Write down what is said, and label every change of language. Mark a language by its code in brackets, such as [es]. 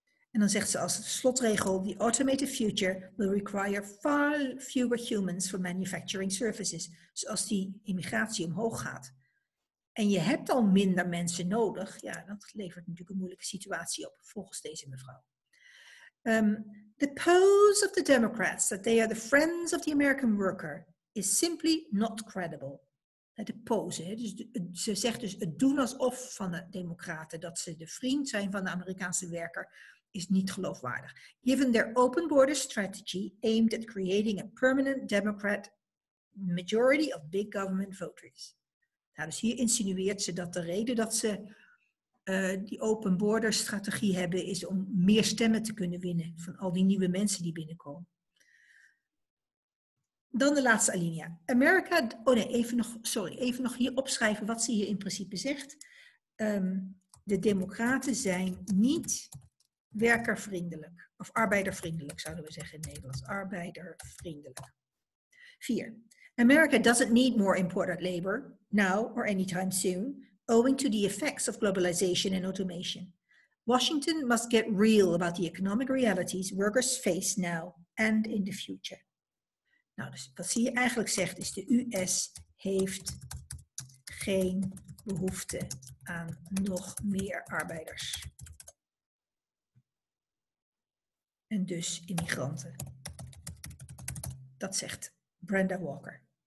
[nl] En dan zegt ze als slotregel, [en] the automated future will require far fewer humans for manufacturing services. [nl] Dus als die immigratie omhoog gaat en je hebt al minder mensen nodig, ja, dat levert natuurlijk een moeilijke situatie op, volgens deze mevrouw. [en] The pose of the Democrats, that they are the friends of the American worker, is simply not credible. [nl] De pose, dus ze zegt dus het doen alsof van de Democraten, dat ze de vriend zijn van de Amerikaanse werker, is niet geloofwaardig. [en] Given their open border strategy aimed at creating a permanent Democrat majority of big government voters. [nl] Nou, dus hier insinueert ze dat de reden dat ze die open border strategie hebben is om meer stemmen te kunnen winnen van al die nieuwe mensen die binnenkomen. Dan de laatste alinea. America, oh nee, even nog hier opschrijven wat ze hier in principe zegt. De Democraten zijn niet werkervriendelijk, of arbeidervriendelijk zouden we zeggen in Nederlands. Arbeidervriendelijk. 4. [en] America doesn't need more imported labor, now or anytime soon, owing to the effects of globalization and automation. Washington must get real about the economic realities workers face now and in the future. [nl] Nou, dus wat ze hier eigenlijk zegt is, de US heeft geen behoefte aan nog meer arbeiders. En dus immigranten. Dat zegt Brenda Walker.